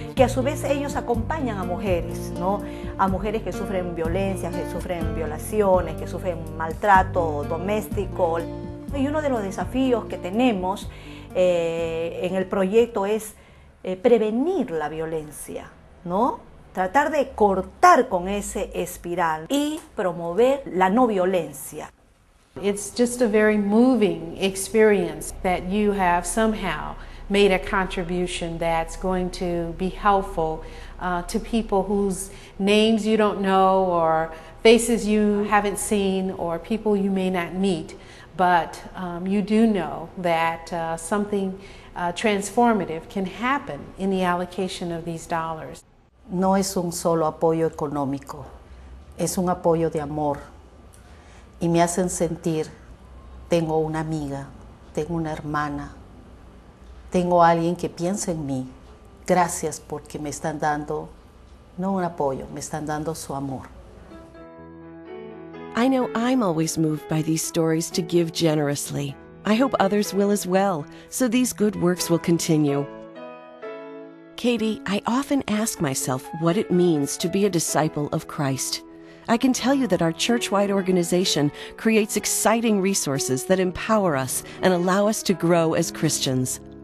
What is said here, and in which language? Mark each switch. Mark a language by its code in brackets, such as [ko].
[es] Que a su vez ellos acompañan a mujeres, ¿no? A mujeres que sufren violencia, que sufren violaciones, que sufren maltrato doméstico. Y uno de los desafíos que tenemos en el proyecto es prevenir la violencia, ¿no? Tratar de cortar con ese espiral y promover la no violencia. [en] It's just a very moving experience that you have somehow made a contribution that's going to be helpful to people whose names you don't know or faces you haven't seen or people you may not meet, but you do know that something transformative can happen in the allocation of these dollars. [es] No es un solo apoyo económico, es un apoyo de amor. Y me hacen sentir, tengo una amiga, tengo una hermana, tengo alguien que piensa en mí. Gracias porque me están dando, no un apoyo, me están dando su amor. [en] I know I'm always moved by these stories to give generously. I hope others will as well, so these good works will continue. Katie, I often ask myself what it means to be a disciple of Christ. I can tell you that our church-wide organization creates exciting resources that empower us and allow us to grow as Christians.